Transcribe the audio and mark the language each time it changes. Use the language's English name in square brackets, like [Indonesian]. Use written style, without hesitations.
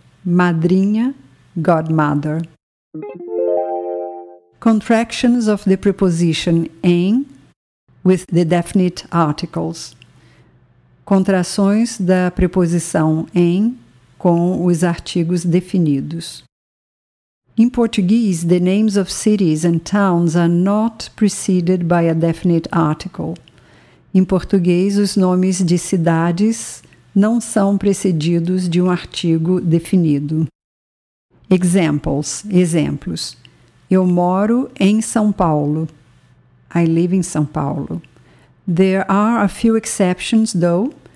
[Portuguese] Madrinha, godmother. [English] Contractions of the preposition em with the definite articles. [Portuguese] Contrações da preposição em com os artigos definidos. [English] In Portuguese, the names of cities and towns are not preceded by a definite article. [Portuguese] Em português, os nomes de cidades não são precedidos de um artigo definido. Examples, exemplos. Eu moro em São Paulo. [English] I live in São Paulo. There are a few exceptions, though.